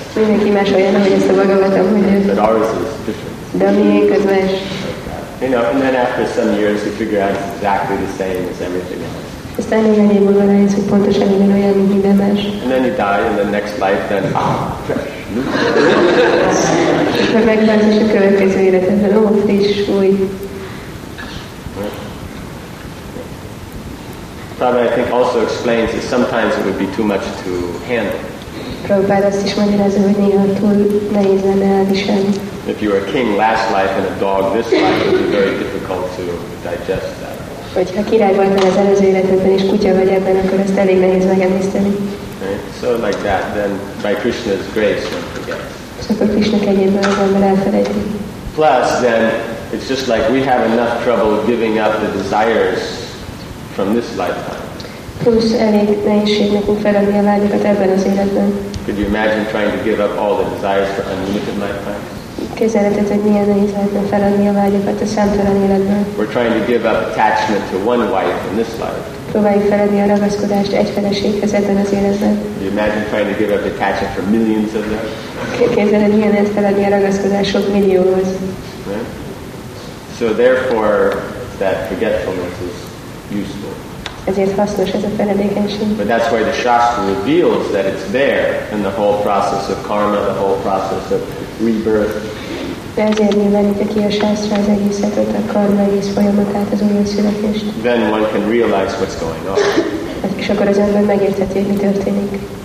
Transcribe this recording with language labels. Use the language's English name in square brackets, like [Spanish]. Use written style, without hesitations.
[Hungarian] Mindenki más olyan, hogy ezt a Bhagavatam mondja. [English] But ours is different. [Hungarian] De a miénk az más. [English] You know, and then after some years we figure out it's exactly the same as everything else. [Hungarian] Aztán néhány év múlva rájössz, hogy pontosan ugyanolyan, mint minden más. [English] And then you die, and the next life, then, ah, fresh. [Hungarian] Akkor megváltozik a következő életedben, ó, friss, új. [English] Prabhupada, I think, also explains that sometimes it would be too much to handle. If you were a king last life and a dog this life, it would be very difficult to digest that. Right? So like that, then by Krishna's grace, one forgets. Plus, then, it's just like we have enough trouble giving up the desires from this lifetime. [Hungarian] Plusz elég nehézség nekünk feladni a vágyakat ebben az életben. [English] Could you imagine trying to give up all the desires for unlimited lifetime? [Hungarian] Képzeled, hogy milyen nehéz lehetne feladni a vágyakat a számtalan életben? [English] We're trying to give up attachment to one wife in this life. [Hungarian] Próbáljuk feladni a ragaszkodást egy feleséghez ebben az életben. [English] Could you imagine trying to give up attachment for millions of them? [Hungarian] Képzeled, milyen lehet feladni a ragaszkodást sok millióhoz? [English] So therefore, that forgetfulness is useful. [Hungarian] Ezért hasznos ez a feledékenység. [English] But that's why the Shastra reveals that it's there in the whole process of karma, the whole process of rebirth. [Hungarian] De ezért nyilvánítja ki a Shastra az egészet, a karma egész folyamatát, az újjászületést. [English] Then one can realize what's going on. [Hungarian] És akkor az ember megértheti, hogy mi történik.